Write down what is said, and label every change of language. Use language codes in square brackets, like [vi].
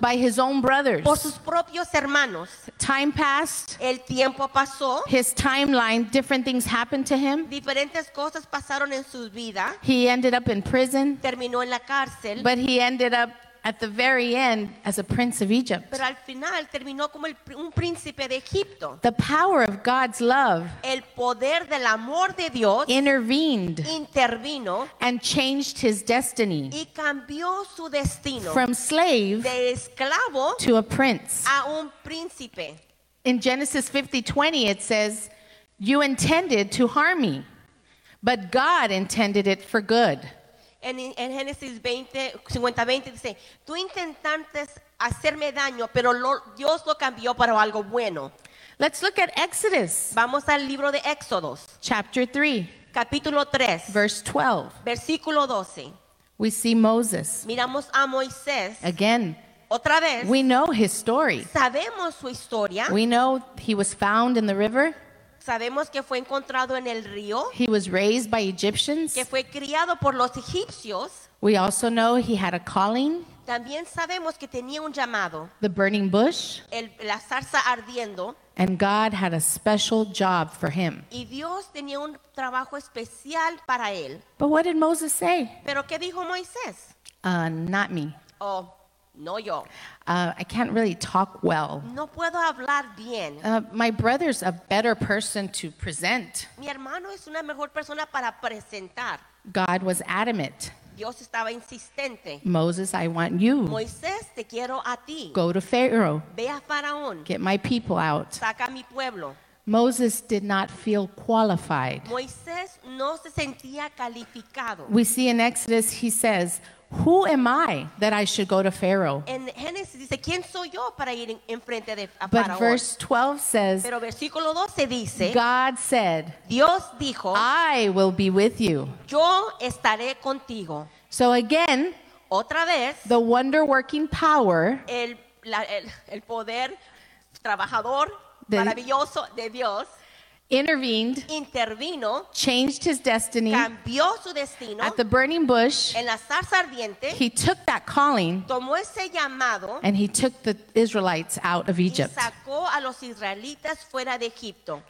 [en] by his own brothers. [es] Por sus propios hermanos. [en] Time passed. [es] El tiempo pasó. [en] His timeline, different things happened to him. [es] Diferentes cosas pasaron en su vida. [en] He ended up in prison. [es] Terminó en la cárcel. [en] But he ended up at the very end as a prince of Egypt. [es] Pero al final terminó como un príncipe de Egipto. [en] The power of God's love [es] el poder del amor de Dios [en] intervened [es] intervino [en] and changed his destiny [es] y cambió su destino [en] from slave [es] de esclavo [en] to a prince [es] a un príncipe. [en] In Genesis 50:20 it says you intended to harm me but God intended it for good. [es] En Génesis 50:20 dice, tú intentaste hacerme daño, pero Dios lo cambió para algo bueno. [en] Let's look at Exodus. [es] Vamos al libro de Éxodos. [en] Chapter 3. [es] Capítulo 3. [en] Verse 12. [es] Versículo 12. [en] We see Moses. [es] Miramos a Moisés. [en] Again. [es] Otra vez. [en] We know his story. [es] Sabemos su historia. [en] We know he was found in the river. [es] Sabemos que fue encontrado en el río. [en] He was raised by Egyptians. [es] Que fue criado por los egipcios. [en] We also know he had a calling. [es] También sabemos que tenía un llamado. [en] The burning bush. [es] La zarza ardiendo. [en] And God had a special job for him. [es] Y Dios tenía un trabajo especial para él. [en] But what did Moses say? [es] ¿Pero qué dijo Moisés? [en] Not me. [es] Oh, no yo. [en] I can't really talk well. [es] No puedo hablar bien. [en] My brother's a better person to present. [es] Mi hermano es una mejor persona para presentar. [en] God was adamant. [es] Dios estaba insistente. [en] Moses, I want you. [es] Moisés, te quiero a ti. [en] Go to Pharaoh. [es] Ve a Faraón. [en] Get my people out. [es] Saca mi pueblo. [en] Moses did not feel qualified. [es] Moisés no se sentía calificado. [en] We see in Exodus, he says, "Who am I that I should go to Pharaoh?" [es] En Génesis dice, ¿quién soy yo para ir enfrente de Faraón? [en] But verse 12 says, [es] pero versículo 12 dice, [en] God said, [es] Dios dijo, [en] I will be with you. [es] Yo estaré contigo. [en] So again, [es] otra vez, [en] the wonder-working power, [es] el poder trabajador maravilloso de Dios, [en] intervened, [es] intervino, [en] changed his destiny, [es] cambió su destino, [en] at the burning bush, [es] en la zarza ardiente, [en] he took that calling, [es] tomó ese llamado, [en] and he took the Israelites out of Egypt. [es] Y sacó a los israelitas fuera de Egipto.